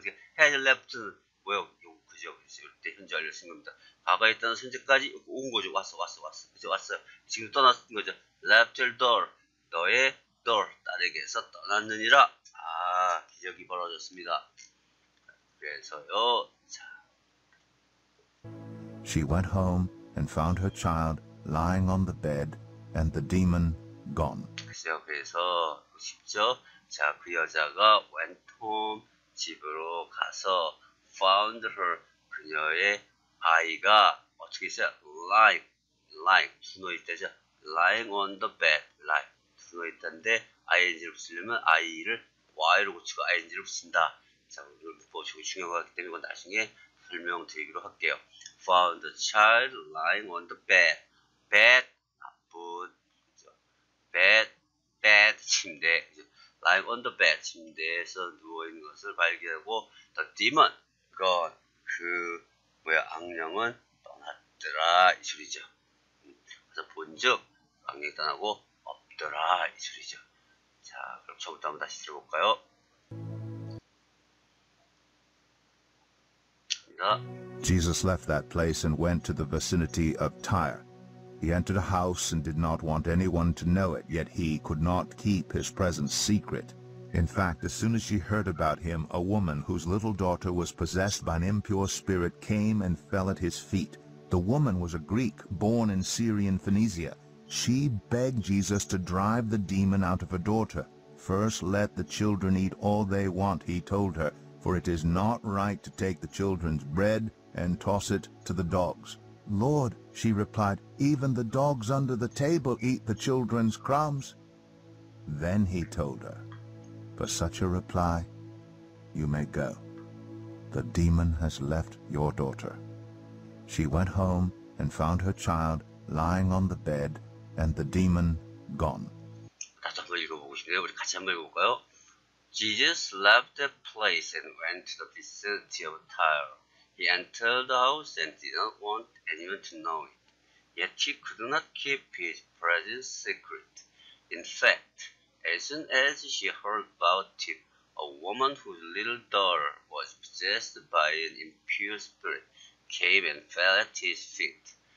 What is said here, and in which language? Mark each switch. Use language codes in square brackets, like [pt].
[ko] 그러니까 [en] has left [ko] 뭐야? 그죠? 그때 현재 알려진 겁니다. 과거에 있던 현재까지 온 거죠. 왔어. 그죠? 왔어요. 지금 떠났는 거죠. [en] Left your door [ko] 너의 door 딸에게서 떠났느니라. 아, 기적이 벌어졌습니다. 그래서요. 자. [en] She went home and found her child lying on the bed and the demon gone. [ko] 글쎄요, 그래서 쉽죠? 자, 그 여자가 [en] went home [ko] 집으로 가서 [en] found her [ko] 그녀의 아이가 어떻게 있어요? lying 누워 있다죠? [en] lying on the bed, [ko] lying 누워 있다는데 ing를 붙이려면 i를 y로 고치고 ing를 붙인다. 자, 이걸 붙여주고 중요하기 때문에 이건 나중에 설명드리기로 할게요. [en] Found the child lying on the bed. Bed [ko] 나쁜 그죠? Bed 침대 그죠? [en] Lying on the bed [ko] 침대에서 누워 있는 것을 발견하고 [en] the demon gone [ko] 그 뭐야 악령은 떠났더라 이 소리죠. 그래서 본즉 악령이 떠나고 없더라 이 소리죠. 자 그럼 처음부터 한번 다시 들어볼까요? 감사합니다. [en] Jesus left that place and went to the vicinity of Tyre. He entered a house and did not want anyone to know it, yet he could not keep his presence secret. In fact, as soon as she heard about him, a woman whose little daughter was possessed by an impure spirit came and fell at his feet. The woman was a Greek born in Syrian Phoenicia. She begged Jesus to drive the demon out of her daughter. First, let the children eat all they want, he told her, for it is not right to take the children's bread and toss it to the dogs. Lord, she replied, even the dogs under the table eat the children's crumbs. Then he told her, for such a reply, you may go. The demon has left your daughter. She went home and found her child lying on the bed and the demon gone. [ko] 다시 한번 읽어보고 싶네요. 우리 같이 한번 읽어볼까요? [en] Jesus left the place and went to the vicinity of Tyre. He entered the house and did not want anyone to know it. Yet he could not keep his presence secret. In fact, as soon as she heard about him, a woman whose little daughter was possessed by an impure spirit came and fell at his feet.